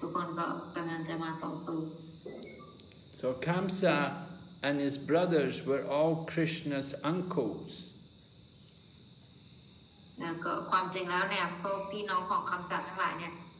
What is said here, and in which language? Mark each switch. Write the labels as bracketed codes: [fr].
[th] แล้วคัมสาเนี่ยมีพี่น้องทั้งหมด8 คนแล้วเขาเป็นพี่ชายคนโตแล้วเวลาทุกคนได้ข่าวว่าคัมสาถูกสังหารแล้วเนี่ยทุกคนก็พร้อมเลยพร้อมในการทำการต่อสู้ว่าโอ้พี่ชายเราถูกสังหารได้ไงทุกคนก็กำลังจะมาต่อสู้ [en] So Kamsa and his brothers were all Krishna's uncles. [th] แล้วก็ความจริงแล้วเนี่ยพวกพี่น้องของคัมสาทั้งหลายเนี่ย